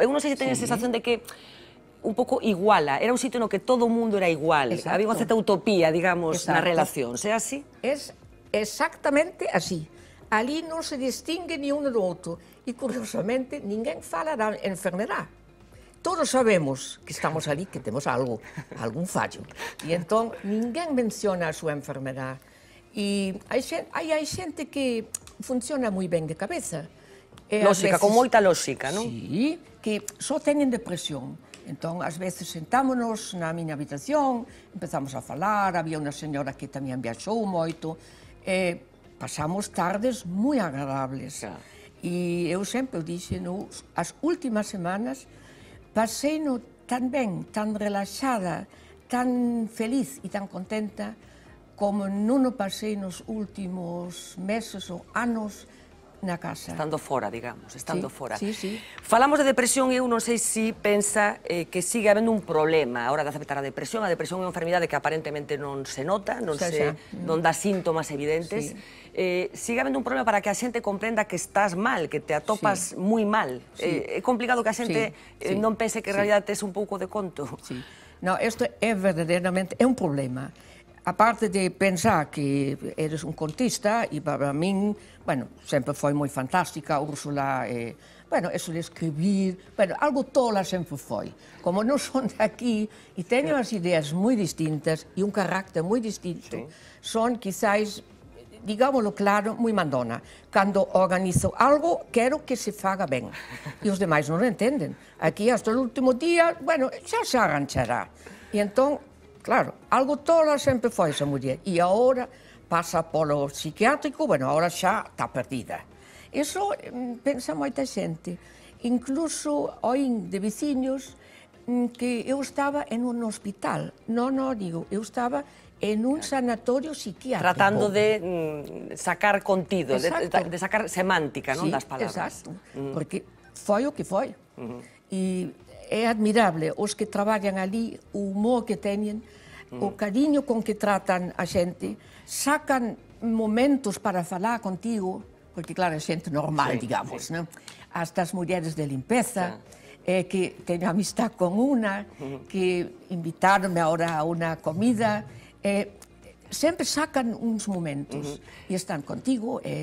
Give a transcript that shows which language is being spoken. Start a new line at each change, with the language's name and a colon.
Galician: Eu non sei se teño a sensación de que un pouco iguala, era un sitio no que todo o mundo era igual, había unha certa utopía, digamos, na relación, sea así?
Spanish: Exactamente así. Allí no se distingue ni uno del otro. Y curiosamente,
Portuguese: ninguém fala
Spanish: de enfermedad. Todos sabemos que estamos allí, que tenemos algo, algún fallo. Y entonces, ninguém menciona su enfermedad. Y hay gente que funciona muy bien de cabeza. Lógica, con mucha lógica, ¿no? Sí, que solo tienen depresión. Entonces, a veces sentámonos en mi habitación, empezamos a hablar, había una señora que también viajó mucho. Pasamos tardes muy agradables. Y yo siempre dije, ¿no? Las últimas semanas pasé no tan bien, tan relajada, tan feliz y tan contenta como no lo pasé en los últimos meses o años.
Galician: Na casa. Estando fora, digamos, estando fora. Sí, sí. Falamos de depresión e eu non sei se pensa que sigue habendo un problema a hora de aceptar a depresión. A depresión é unha enfermidade que aparentemente non se nota, non dá síntomas evidentes. Sigue habendo un problema para que a xente comprenda que estás mal, que te atopas moi mal. É complicado que a xente non pense que en realidad tes un pouco de conto. No, isto é verdadeiramente un problema.
Spanish: Aparte de pensar que eres un contista, y para mí, bueno, siempre fue muy fantástica, Úrsula, bueno, eso de escribir, bueno, algo tola siempre fue. Como no son de aquí y tengo unas ideas muy distintas y un carácter muy distinto, son quizás, digámoslo claro, muy mandona. Cuando organizo algo, quiero que se haga bien. Y los demás no lo entienden. Aquí hasta el último día, bueno, ya se arranchará. Y entonces, claro, algo tola siempre fue esa mujer. Y ahora pasa por lo psiquiátrico, bueno, ahora ya está perdida. Eso piensa mucha gente. Incluso hoy de vecinos, que yo estaba en un hospital. No, no, digo, yo estaba en un sanatorio psiquiátrico.
Galician: Tratando de sacar contido, de sacar semántica, ¿no?
Spanish: Las palabras. Exacto, porque fue lo que fue.
Galician: Y é admirable os que traballan ali, o humor que teñen, o cariño con que tratan a xente, sacan momentos para falar contigo, porque, claro, é xente normal, digamos, hasta as mulleres de limpeza, que teño amistad con unha, que invitaronme agora a unha comida, sempre sacan uns momentos e están contigo.